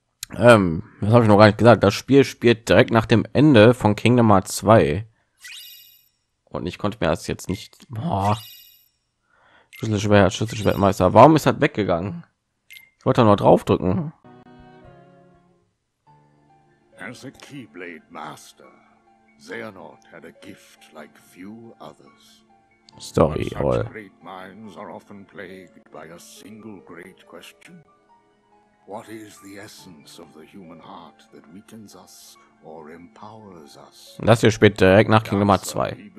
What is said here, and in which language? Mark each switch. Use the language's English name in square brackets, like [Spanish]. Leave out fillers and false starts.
[German] Das habe ich noch gar nicht gesagt. Das Spiel spielt direkt nach dem Ende von Kingdom Hearts 2. Und ich konnte mir das jetzt nicht. Schlüsselschwert, Schlüsselschwertmeister. Warum ist das weggegangen? Ich wollte nur drauf drücken. [English] As a Keyblade Master, Xehanort had a gift like few others. Story, all. Great minds are often plagued by a single great question. What is the essence of the human heart that weakens us or empowers us? [German] Das hier spielt direkt nach Kingdom Hearts 2.